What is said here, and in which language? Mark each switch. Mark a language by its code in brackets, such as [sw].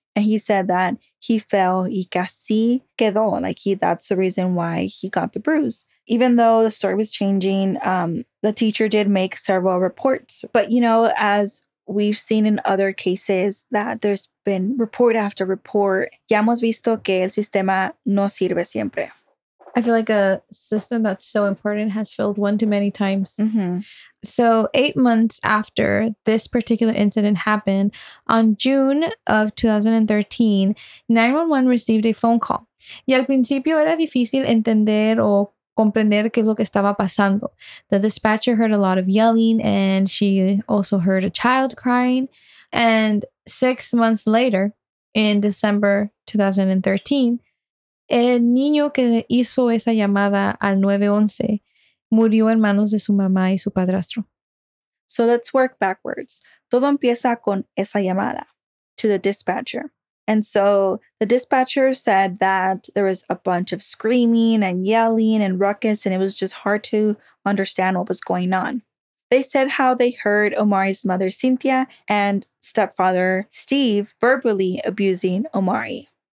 [en] And he said that he fell y casi quedó. Like, that's the reason why he got the bruise. Even though the story was changing, the teacher did make several reports. But, you know, as we've seen in other cases, that there's been report after report. [es] Ya hemos visto que el sistema no sirve siempre. [en] I feel like a system that's so important has failed one too many times. Mm-hmm. So 8 months after this particular incident happened, on June of 2013, 911 received a phone call. [es] Y al principio era difícil entender o comprender qué es lo que estaba pasando. [en] The dispatcher heard a lot of yelling and she also heard a child crying. [es] And 6 months later, in December 2013, el niño que hizo esa llamada al 911 murió en manos de su mamá y su padrastro. [en] So let's work backwards. [es] Todo empieza con esa llamada to the dispatcher. [en] And so the dispatcher said that there was a bunch of screaming and yelling and ruckus, and it was just hard to understand what was going on. They said how they heard Omari's mother, Cynthia, and stepfather, Steve, verbally abusing Omari.